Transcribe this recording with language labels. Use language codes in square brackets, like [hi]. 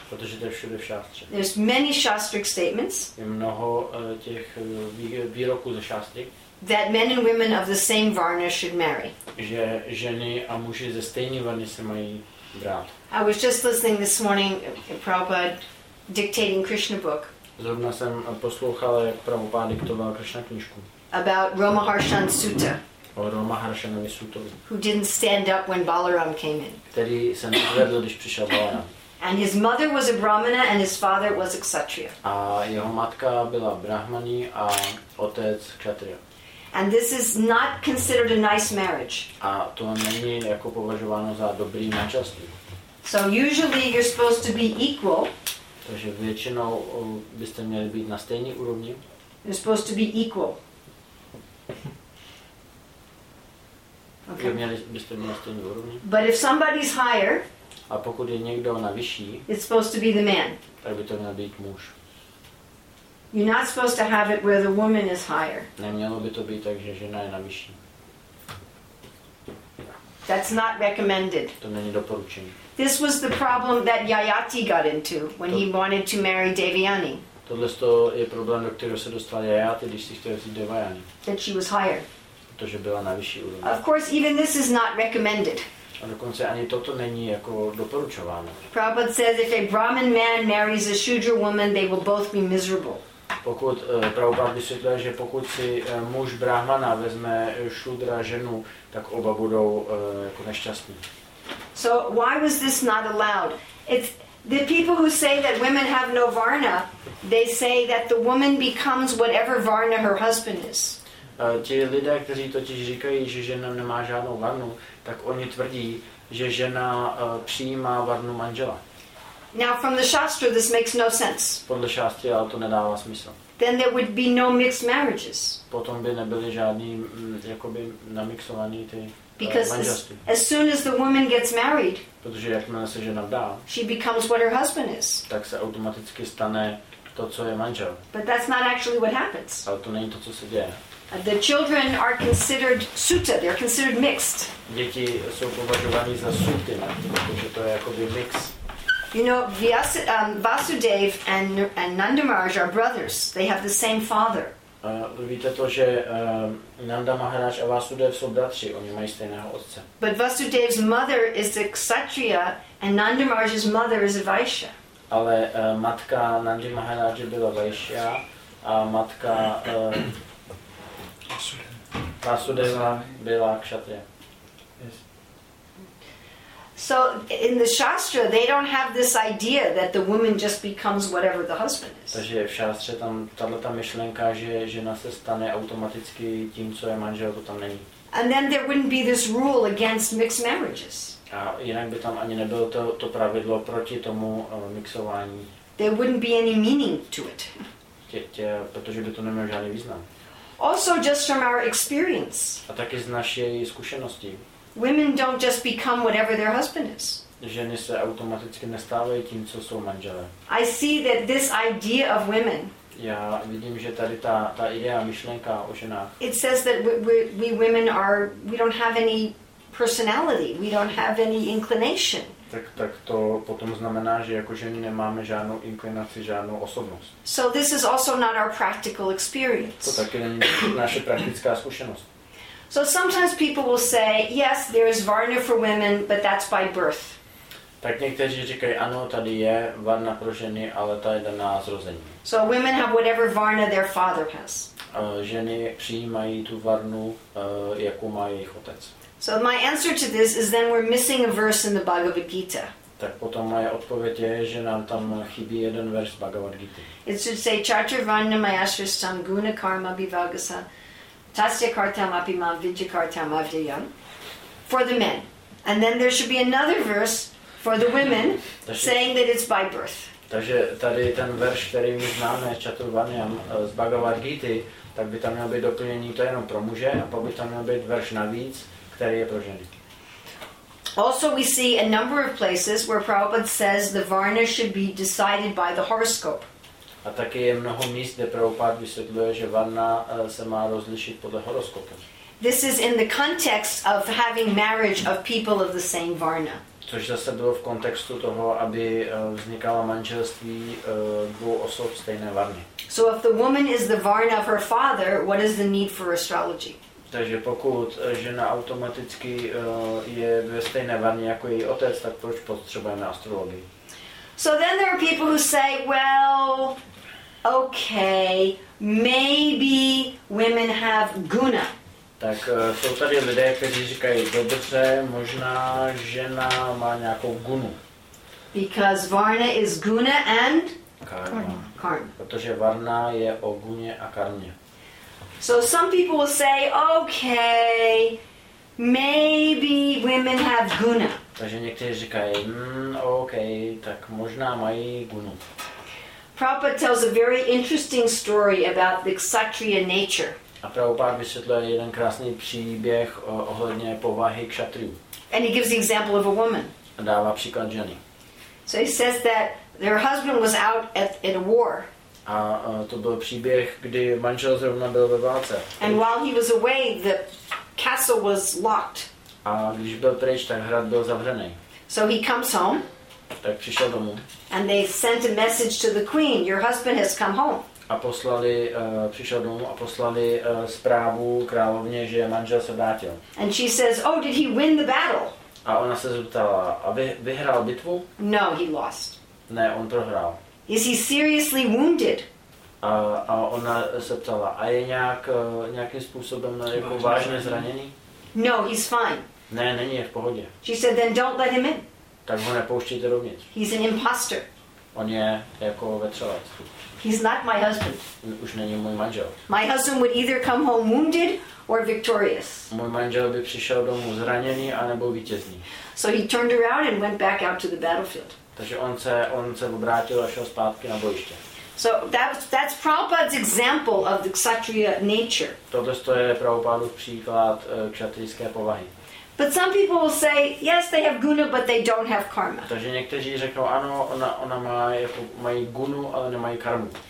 [cs] Protože to je všude v Shastře. [en] There's many Shastric statements. [cs] Je mnoho těch výroků ze Shastry. [en] That men and women of the same varna should marry. [cs] Že ženy a muži ze stejné varny se mají brát. [en] I was just listening this morning to Prabhupada dictating Krishna book. [cs] Zrovna jsem poslouchal, jak Prabhupada diktoval Krishna knížku. [en] About Romaharshan Sutta. [cs] O Romaharshanovi Sutovi. [en] Who didn't stand up when Balaram came in. [cs] Který se nezvedl, když přišel Balaram. [en] And his mother was a brahmana and his father was a kshatriya. [cs] A jeho matka byla brahmaní a otec kshatriya. [en] And this is not considered a nice marriage. [cs] A to není jako považováno za dobrý manželství. [en] So usually you're supposed to be equal. [cs] Takže většinou byste měli být na stejné úrovni. [en] You're supposed to be equal. Okay. [cs] Byste měli na stejné úrovni. [en] But if somebody's higher, [cs] a pokud je někdo na vyšší, [en] it's supposed to be the man. [cs] Tak by to měl být muž. [en] You're not supposed to have it where the woman is higher. [cs] Nemělo by to být tak, že žena je na vyšší. [en] That's not recommended. [cs] To není doporučení. [en] This was the problem that Yayati got into when he wanted to marry Devayani. [cs] Tohle je problém, do kterého se dostal Yayati, když si chtěl vzít Devayani. [en] That she was higher. [cs] Protože byla na vyšší úrovni. [en] Of course, even this is not recommended. [cs] A dokonce ani toto není jako doporučováno. [en] Prabhupada says if a Brahmin man marries a Shudra woman, they will both be miserable. [cs] Pokud Prabhupada vysvětluje, že pokud si muž brahmana vezme šudra ženu, tak oba budou jako nešťastní. [en] So why was this not allowed? It's the people who say that women have no varna, they say that the woman becomes whatever varna her husband is. [cs] Ti lidé, kteří totiž říkají, že žena nemá žádnou varnu, tak oni tvrdí, že žena přijímá varnu manžela. [en] Now from the Shastra this makes no sense. [cs] Podle Shastry ale to nedává smysl. [en] Then there would be no mixed marriages. [cs] Potom by nebyly žádný jakoby namixovaný ty manželství. [en] As soon as the woman gets married, [cs] protože jakmile se žena vdá, [en] she becomes what her husband is. [cs] Tak se automaticky stane to, co je manžel. [en] But that's not actually what happens. [cs] Ale to není to, co se děje. [en] The children are considered suta, they're considered mixed. [cs] Děti jsou považovány za suty, protože to je jakoby mix. [en] You know, Vasudev and Nanda Maharaj are brothers. They have the same father. [cs] Víte to, že Nanda Maharaj a Vasudev jsou bratři. Oni mají stejného otce. [en] But Vasudev's mother is a kshatriya and Nanda Maharaj's mother is a vaishya. [cs] Ale matka Nandy Maharaj byla vaishya a matka Vasudeva byla kshatriya. [en] So in the Shastra they don't have this idea that the woman just becomes whatever the husband is. [cs] Takže v Shastře tam tato myšlenka, že žena se stane automaticky tím, co je manžel, to tam není. [en] And then there wouldn't be this rule against mixed marriages. [cs] A jinak by tam ani nebylo to pravidlo proti tomu mixování. [en] There wouldn't be any meaning to it. [cs] Protože by to nemělo žádný význam. [en] Also just from our experience. [cs] A taky z naší zkušenosti. [en] Women don't just become whatever their husband is. [cs] Ženy se automaticky nestávají tím, co jsou manželé. [en] I see that this idea of women. [cs] Já vidím, že tady ta idea, myšlenka o ženách. [en] It says that we women don't have any personality, we don't have any inclination. [cs] Tak to potom znamená, že jako ženy nemáme žádnou inklinaci, žádnou osobnost. [en] So this is also not our practical experience. [cs] To taky není naše praktická zkušenost. [en] So sometimes people will say, yes, there is varna for women, but that's by birth. [cs] Tak někteří říkají, ano, tady je varna pro ženy, ale ta je daná zrození. [en] So women have whatever varna their father has. [cs] Ženy přijímají tu varnu, jakou má jejich otec. [en] So my answer to this is then we're missing a verse in the Bhagavad Gita. [cs] Tak potom moje odpověď je, že nám tam chybí jeden verš z Bhagavad Gita. [en] It should say, [sa] chatur varna mayashristam guna karma bivagasa. Tasya kartam api mam vijakartam avdayam [en] for the men. And then there should be another verse for the women saying that it's by birth. [cs] Takže tady ten verš, který my známe, Chaturvanyam z Bhagavad Gita, tak by tam měl být doplnění to jenom pro muže a pak by tam měl být verš navíc, který je pro ženy. [en] Also we see a number of places where Prabhupada says the varna should be decided by the horoscope. [cs] A taky je mnoho míst, kde Prabhupád vysvětluje, že vanna se má rozlišit podle horoskopu. [en] This is in the context of having marriage of people of the same varna. [cs] Což zase bylo v kontextu toho, aby vznikalo manželství dvou osob stejné varny. [en] So if the woman is the varna of her father, what is the need for astrology? [cs] Takže pokud žena automaticky je ve stejné varně jako její otec, tak proč potřebujeme astrologii? [en] So then there are people who say, well, okay, maybe women have guna. [cs] Tak jsou tady lidé, kteří říkají, dobře, možná žena má nějakou gunu. [en] Because varna is guna and karma. [cs] Protože varna je o guně a karmě. [en] So some people will say, okay, maybe women have guna. [cs] Takže někteří říkají, okay, tak možná mají gunu. [en] Prabhupada tells a very interesting story about the kshatriya nature. [cs] A Prabhupada vysvětluje jeden krásný příběh ohledně povahy kshatriů. [en] And he gives the example of a woman. [cs] A dává příklad ženy. [en] So he says that their husband was out in a war. [cs] A to byl příběh, kdy manžel zrovna byl ve válce. [en] And while he was away, the castle was locked. [cs] A když byl pryč, tak hrad byl zavřený. [en] So he comes home. [cs] Tak přišel domů. [en] And they sent a message to the queen, your husband has come home. [cs] A poslali, přišel domů a poslali zprávu královně, že manžel se vrátil. [en] And she says, oh, did he win the battle? [cs] A ona se zeptala, a vyhrál bitvu? [en] No, he lost. [cs] Ne, on prohrál. [en] Is he seriously wounded? [cs] A ona se ptala, a je nějakým způsobem jako vážně zraněný? [en] No, he's fine. [cs] Ne, není, je v pohodě. [en] She said, then don't let him in. [cs] Tak ho nepouštějte dovnitř. [en] He's an imposter. [cs] On je jako vetřelec. [en] He's not my husband. [cs] Už není můj manžel. [en] My husband would either come home wounded or victorious. [cs] Můj manžel by přišel domů zraněný anebo vítězný. [en] So he turned around and went back out to the battlefield. [cs] Takže on se obrátil a šel zpátky na bojiště. [en] So that's Prabhupada's example of the kshatriya nature. [cs] Tohle je Prabhupádův příklad kshatrijské povahy. [en] But some people will say, yes, they have guna, but they don't have karma. [cs] Takže někteří řeknou, ano, ona má jako mají gunu, ale nemají karmu.